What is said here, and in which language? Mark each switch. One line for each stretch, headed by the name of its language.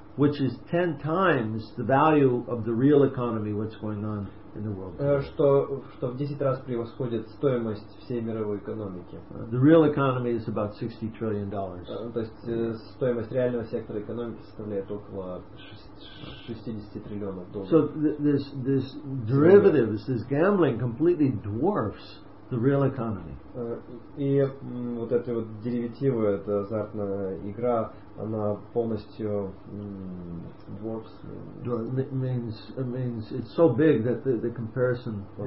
English: Which is 10 times the value of the real economy, what's going on in the world.
Russian: Что в 10 раз превосходит стоимость всей мировой экономики.
English: The real economy is about $60 trillion.
Russian: То есть стоимость реального сектора экономики составляет около 60 триллионов долларов.
English: So this derivatives, this gambling completely dwarfs the real economy.
Russian: И вот эти вот деривативы, это азартная игра, она полностью dwarfs.
English: Means it's so big that the comparison, uh-huh.